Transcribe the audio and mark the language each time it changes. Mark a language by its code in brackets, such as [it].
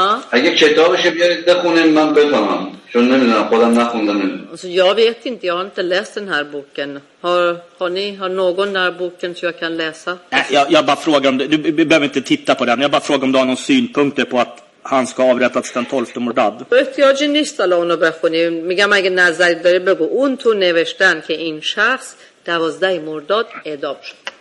[fa] اگه کتابش بیارید بخونین من بفهمم چون نمیدونم خودم نخوندم. [sv] Alltså jag vet inte, jag har inte läst den här boken. Har någon där boken så jag kan läsa? Jag bara frågar om du behöver inte titta på den. Jag bara frågar om du har någon synpunkt på att han ska avrättas den 12 mordad. Jag nyss talade om det här. [fa] Migam اگه نظری داری بگو اون تو نوشتن که این شخص 12 مرداد اعدام شد.